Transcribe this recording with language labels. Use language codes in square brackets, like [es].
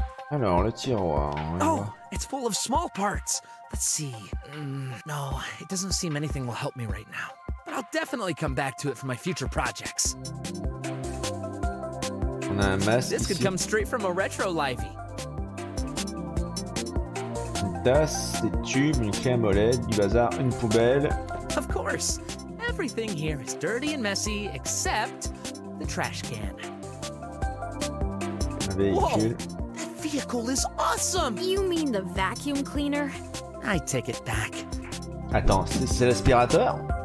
[fr] Alors, le tiroir. [en] Oh, it's full of small parts. Let's see. No, it doesn't seem anything will help me right now. But I'll definitely come back to it for my future projects. [fr] On a un masque. [en] This could come straight from a retro livey. [fr] Des tubes, une clé à molette, du bazar, une poubelle. [en] Of course, everything here is dirty and messy except the trash can. [fr] véhicule. [en] Whoa, that vehicle is awesome. You mean the vacuum cleaner? I take it back. [fr] Attends, c'est l'aspirateur?